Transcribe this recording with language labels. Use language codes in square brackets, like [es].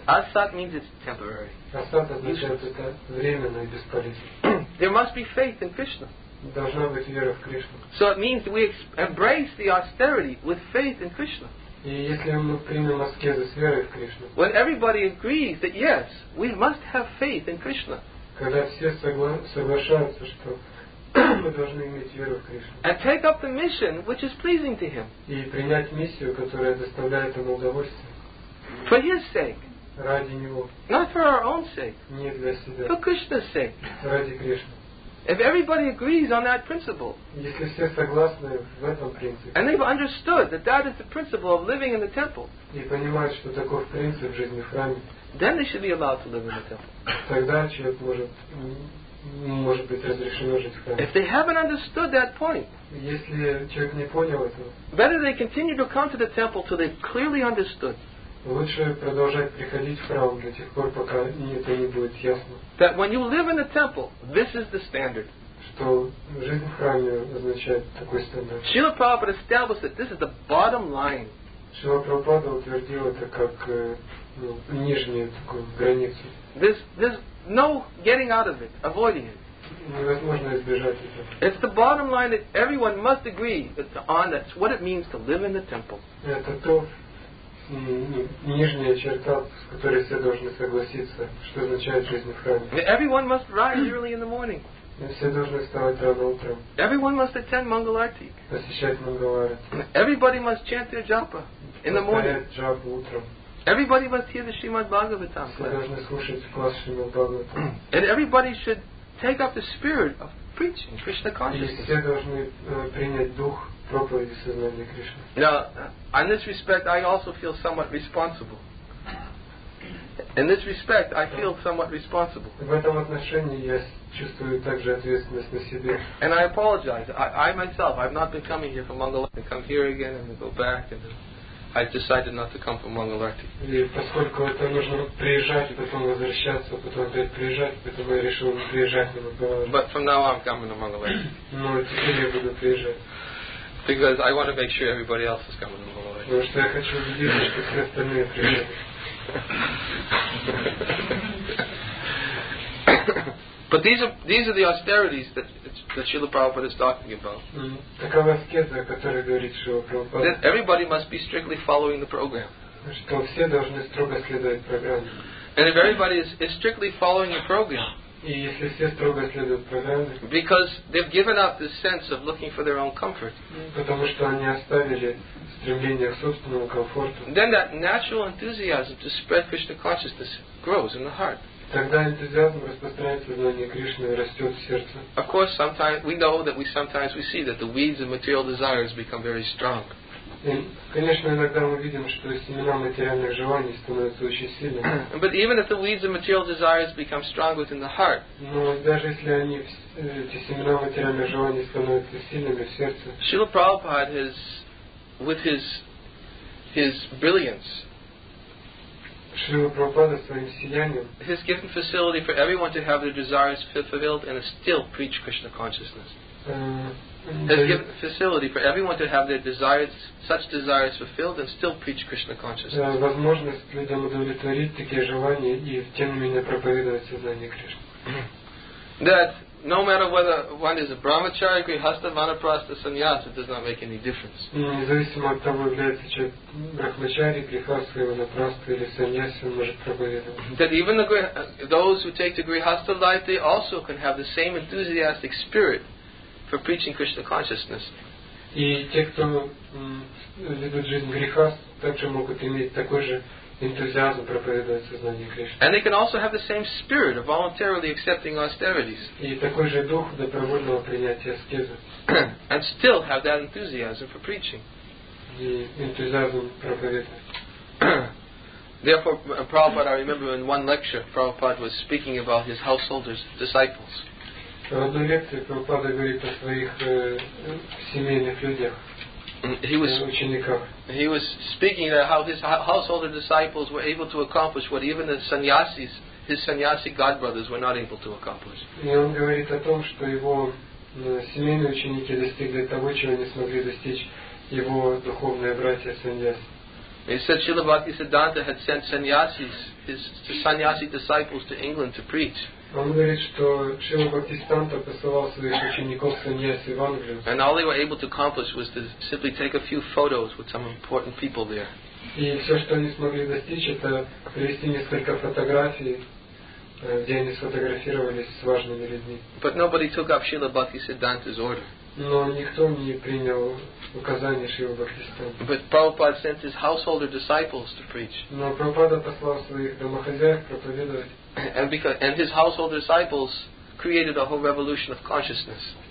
[en] Asat means it's temporary. [ru] Асат означает это временно и бесполезно. [en] There must be faith in Krishna. [ru] Должна быть вера в Кришну. [en] So it means we embrace the austerity with faith in Krishna. [ru] И если мы примем аскезу с верой в Кришну. [en] When everybody agrees that yes, we must have faith in Krishna. [ru] Когда все соглашаются, что мы должны иметь веру в Кришну. [en] And take up the mission which is pleasing to Him. [ru] И принять миссию, которая доставляет ему удовольствие. [en] For His sake. [ru] Ради него. [en] Not for our own sake. [ru] Не для себя. [en] For Krishna's sake. [ru] Ради Кришны. [en] If everybody agrees on that principle, [ru] если все согласны в этом принципе, [en] and they've understood that that is the principle of living in the temple, [ru] и понимают, что таков принцип жизни в храме, [en] then they should be allowed to live in the temple. [ru] Тогда человек может быть разрешено жить в храме. [en] If they haven't understood that point, [ru] если человек не понял этого, [en] better they continue to come to the temple till they've clearly understood. [ru] Лучше продолжать приходить в храм до тех пор, пока это не будет ясно. [en] That when you live in the temple, this is the standard. [ru] Что жизнь в храме означает такой стандарт. [en] Шрила Прабхупада established that this is the bottom line. [ru] Шрила Прабхупада утвердил это как нижнюю такую границу. [en] There's no getting out of it, avoiding it. [ru] Невозможно избежать этого. [en] It's the bottom line that everyone must agree on. That's what it means to live in the temple. [ru] Это то. Нижняя черта, с которой все должны согласиться, что означает жизнь в храме. [en] Everyone must rise early in the morning. [ru] Все должны вставать рано утром. [en] Everyone must attend Mangal Arati. [ru] Посещать Мангал Арати. [en] Everybody must chant their japa in the morning. [ru] Повторять джапу утром. [en] Everybody must hear the Shrimad Bhagavatam. [ru] Все должны слушать класс Шримад Бхагаватам. [en] And everybody should take up the spirit of preaching Krishna consciousness. [ru] И все должны принять дух. [en] Now, in this respect, I also feel somewhat responsible. In this respect, I feel somewhat responsible. [ru] В этом отношении я чувствую также ответственность на себе. [en] And I apologize. I myself, I've not been coming here from Mangal Arati. I come here again and then go back, and I decided not to come from Mangal Arati. [ru] И поскольку это нужно приезжать, потом возвращаться, потом опять приезжать, поэтому я решил не приезжать. [en] But from now on, I'm coming to Mangal Arati. [ru] Но теперь я буду приезжать. [en] Because I want to make sure everybody else is coming to Mangal Arati. [ru] Потому что я хочу убедиться, что все остальные приедут. [en] But these are the austerities that Srila Prabhupada is talking about. [ru] Такова аскеза, о которой говорит Шрила Прабхупада. [en] That everybody must be strictly following the program. [ru] Что все должны строго следовать программе. [en] And if everybody is strictly following the program. [ru] И если все строго следуют программе. [en] Because they've given up the sense of looking for their own comfort. [ru] Потому что они оставили стремление к собственному комфорту. [en] Then that natural enthusiasm to spread Krishna consciousness grows in the heart. [ru] Тогда энтузиазм распространяет сознание Кришны и растет в сердце. [en] Of course, sometimes we know that we see that the weeds of material desires become very strong. [ru] Конечно, иногда мы видим, что семена материальных желаний становятся очень сильными. [en] But even if the weeds of material desires become strong within the heart. [ru] Но даже если они эти семена материальных желаний становятся сильными в сердце. [en] Шрила Прабхупада has, with his brilliance. [ru] Шрила Прабхупада своим сиянием. [en] Has given facility for everyone to have their desires fulfilled and still preach Krishna consciousness. has given facility for everyone to have their desires, such desires fulfilled, and still preach Krishna consciousness. [ru] Возможность людям удовлетворить такие желания и тем не менее проповедовать сознание Кришны. [en] That no matter whether one is a brahmachari, grihastha, vanaprastha, sannyasa, it does not make any difference. [ru] Независимо от того, является человек брахмачари, грихастха, ванапрастха или саньяси, он может проповедовать. [en] That even the, those who take the grihastha life, they also can have the same enthusiastic spirit for preaching Krishna consciousness. [ru] И те, кто ведут жизнь грихастха, также могут иметь такой же энтузиазм проповедовать сознание Кришны. [en] And they can also have the same spirit of voluntarily accepting austerities. [ru] И такой же дух добровольного принятия аскезы. [en] And still have that enthusiasm for preaching. [ru] И энтузиазм проповедовать. [en] Therefore, Prabhupada, I remember in one lecture, Prabhupada was speaking about his householders, disciples. [ru] В одной лекции Прабхупада говорит о своих семейных людях. [en] He was speaking about how his householder disciples were able to accomplish what even the sannyasis, his sannyasi godbrothers, were not able to accomplish. [ru] И он говорит о том, что его семейные ученики достигли того, чего не смогли достичь его духовные братья саньяси. [en] He said Srila Bhaktisiddhanta had sent sannyasis, his sannyasi disciples, to England to preach. [ru] Он говорит, что Шрила Бхактисиддханта посылал своих учеников саньяси в Англию. [en] And all they were able to accomplish was to simply take a few photos with some important people there. [ru] И все, что они смогли достичь, это привести несколько фотографий, где они сфотографировались с важными людьми. [en] But nobody took up Srila Bhaktisiddhanta's order. [ru] Но никто не принял указание Шрила Бхактисиддханта. [en] But Prabhupada sent his householder disciples to preach. [ru] Но Прабхупада послал своих домохозяев проповедовать. [en] And because and his household disciples created a whole revolution of consciousness.